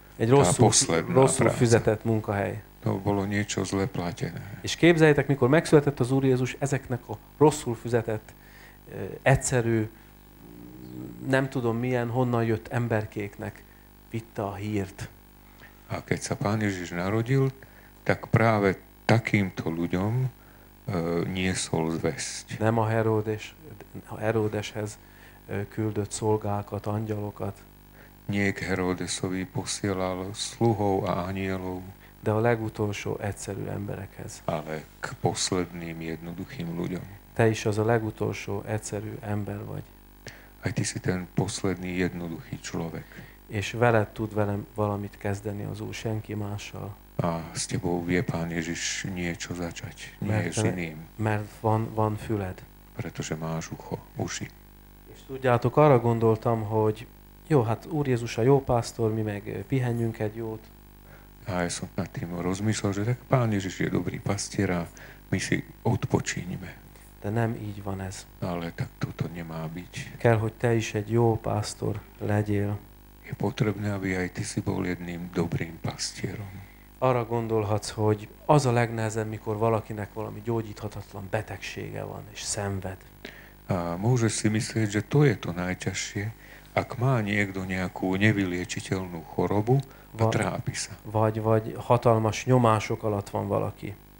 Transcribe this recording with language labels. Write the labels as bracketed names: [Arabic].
[Hungarian] Egy rosszul fizetett munkahely. [Slovak] To bolo niečo zle platené. [Hungarian] És képzeljétek, mikor megszületett az Úr Jézus, ezeknek a rosszul fizetett, egyszerű, nem tudom milyen, honnan jött emberkéknek vitte a hírt. [Slovak] A keď sa Pán Ježiš narodil, tak práve takýmto ľuďom niesol zvesť. [Hungarian] Nem a Herodeshez küldött szolgákat, angyalokat. [Slovak] Nie k Herodesovi posielal sluhov a anielov. [Hungarian] De a legutolsó egyszerű emberekhez. [Slovak] Ale k posledným jednoduchým ľuďom. [Hungarian] Te is az a legutolsó egyszerű ember vagy. [Slovak] Aj ty si ten posledný jednoduchý človek. [Hungarian] És veled tud velem valamit kezdeni az Úr, senki mással. [Slovak] A s tebou vie Pán Ježiš niečo začať, nie je s iným. [Hungarian] Mert van füled. [Slovak] Pretože máš ucho, uši. [Hungarian] És tudjátok, arra gondoltam, hogy jó, hát Úr Jézus a jó pásztor, mi meg pihenjünk egy jót. [Slovak] A ja som nad tým rozmyslel, že tak Pán Ježiš je dobrý pastier a my si odpočíňme. [Hungarian] De nem így van ez. [Slovak] Ale tak toto nemá byť. [Hungarian] Kell, hogy te is egy jó pásztor legyél. [Slovak] Je potrebné, aby aj ty si bol jedným dobrým pastierom. [Hungarian] Arra gondolhatsz, hogy az a legnehezebb, mikor valakinek valami gyógyíthatatlan betegsége van és szenved. [Slovak] A môžeš si myslieť, že to je to najťažšie, ak má niekto nejakú nevyliečiteľnú chorobu a trápi sa. [Hungarian] Vagy hatalmas nyomások alatt van valaki.